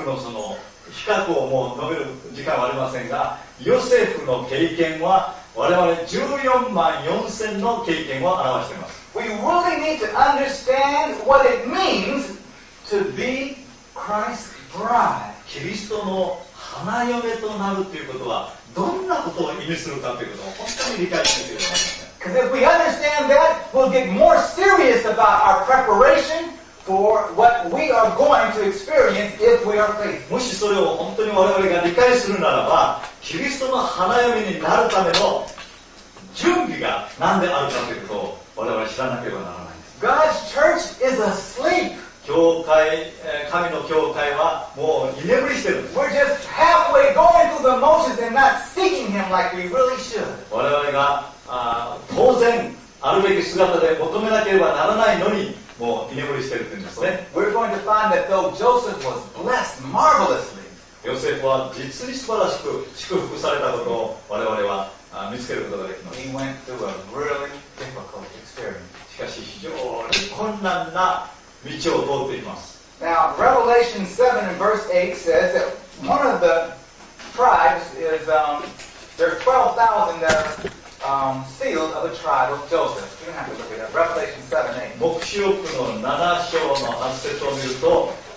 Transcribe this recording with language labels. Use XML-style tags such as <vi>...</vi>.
<ja>この多くのその比較をもう述べる時間はありませんが、ヨセフの経験は我々14万4000の経験を表しています。</ja> <en>We really need to understand what it means to be Christ's bride.</en> <ja>キリストの花嫁となるということはどんなことを意味するかということを本当に理解しなければならない。</ja> <en>Because if we understand that, we'll get more serious about our preparation for what we are going to experience if we are faithful.</en> <ja>もしそれを本当に我々が理解するならば、キリストの花嫁になるための準備が何であるかということを我々は知らなければならないです。</ja> <en>God's church is asleep.</en> <ja>教会、神の教会はもう居眠りしてるんです。</ja> <en>We're just halfway going through the motions and not seeking him like we really should.</en> <ja>我々が当然あるべき姿で求めなければならないのにもう居眠りしてるって言うんですね。</ja> <en>We're going to find that though Joseph was blessed marvelously.</en> <ja>ヨセフは実に素晴らしく祝福されたことを我々は見つけることができます。</ja> <en>He went through a really difficult experience.</en> <ja>しかし非常に困難な道を通っています。</ja> <en>Now, Revelation 7 and verse 8 says that one of the tribes is, there are 12,000 that are sealed of the tribe of Joseph. You don't have to look it up. Revelation 7 and 8.</en> <ja>黙示録の7章の8節を見ると、</ja>